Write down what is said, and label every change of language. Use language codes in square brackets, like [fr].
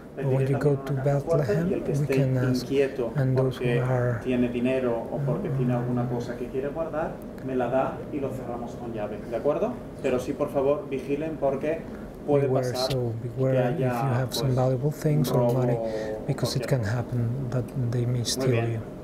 [en] when you go to Bethlehem, we can ask, and those who are, [es] tiene dinero o porque tiene alguna cosa que quiere guardar, me la da y lo cerramos con llave, ¿de acuerdo? Pero sí, por favor, vigilen porque puede [en] beware, [es] pasar [en] so beware [es] que haya, [en] if you have [es] pues, [en] some valuable things or money, because it can happen that they may steal you.